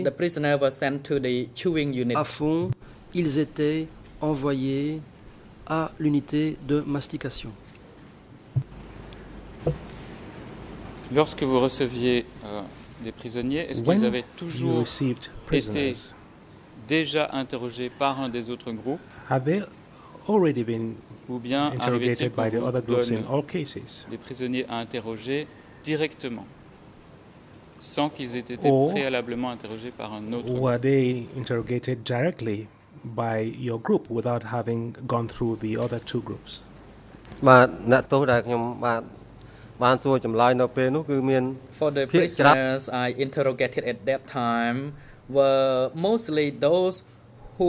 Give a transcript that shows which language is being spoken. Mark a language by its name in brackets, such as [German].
[English] and then the prisoner was sent to the chewing unit. [French] À fond, ils étaient envoyés à l'unité de mastication. Lorsque vous receviez des prisonniers, est-ce qu'ils avaient toujours été déjà interrogés par un des autres groupes? [English] Have they already been [French] ou bien [English] interrogated by the other groups in all cases? [French] Les prisonniers à interroger directement, sans qu'ils aient été préalablement interrogés par un autre groupe? [English] Were they interrogated directly by your group without having gone through the other two groups? For the prisoners I interrogated at that time were mostly those who